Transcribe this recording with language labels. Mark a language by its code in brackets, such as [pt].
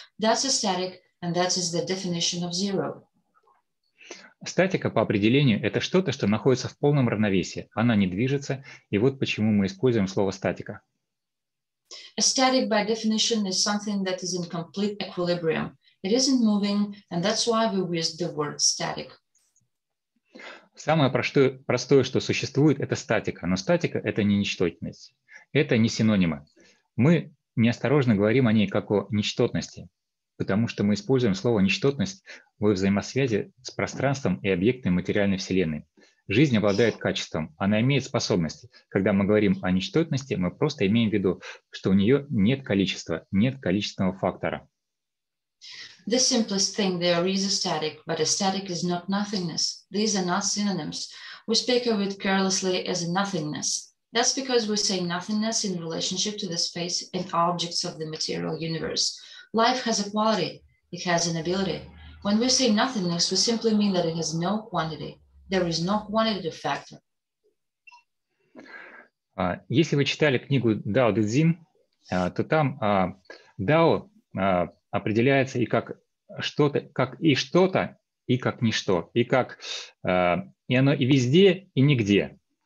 [en] That's a static, and that is the definition of zero. [ru] Статика по определению – это что-то, что находится в полном равновесии. Она не движется, и вот почему мы используем слово «статика». [en] A static, by definition, is something that is in complete equilibrium. It isn't moving, and that's why we use the word static. [ru] Самое простое, что существует, это статика, но статика – это не ничтотность. Это не синонимы. Мы неосторожно говорим о ней как о ничтотности, потому что мы используем слово «ничтотность» во взаимосвязи с пространством и объектами материальной вселенной. Жизнь обладает качеством, она имеет способности. Когда мы говорим о ничтотности, мы просто имеем в виду, что у нее нет количества, нет количественного фактора. [en] The simplest thing there is a static, but a static is not nothingness. These are not synonyms. We speak of it carelessly as a nothingness. That's because we say nothingness in relationship to the space and objects of the material universe. Life has a quality, it has an ability. When we say nothingness, we simply mean that it has no quantity. There is no quantitative factor. [ru] Если вы читали книгу Дао Дэ Цзин, то там Дао определяется и как что-то, как и что-то, и как ничто, и как и оно и везде, и нигде.